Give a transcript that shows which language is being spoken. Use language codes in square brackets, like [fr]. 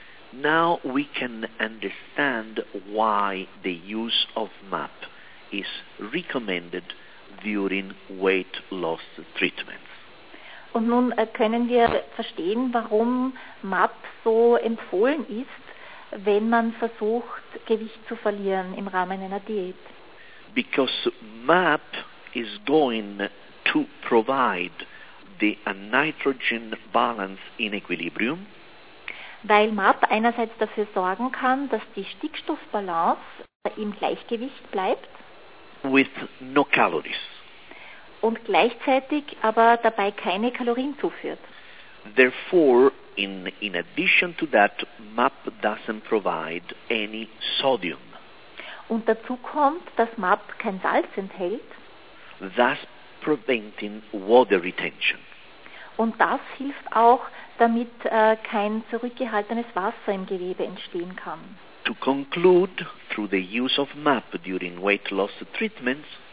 [en] Now we can understand why the use of MAP is recommended during weight loss treatments. [de] Und nun können wir verstehen, warum MAP so empfohlen ist, wenn man versucht, Gewicht zu verlieren im Rahmen einer Diät. [en] Because MAP is going to provide the nitrogen balance in equilibrium. [de] Weil MAP einerseits dafür sorgen kann, dass die Stickstoffbalance im Gleichgewicht bleibt. [en] With no calories. [de] Und gleichzeitig aber dabei keine Kalorien zuführt. [en] Therefore, in addition to that, MAP doesn't provide any sodium. [de] Und dazu kommt, dass MAP kein Salz enthält. [en] Thus preventing water retention. [de] Und das hilft auch, damit kein zurückgehaltenes Wasser im Gewebe entstehen kann. [en] To conclude, through the use of MAP during weight loss treatments.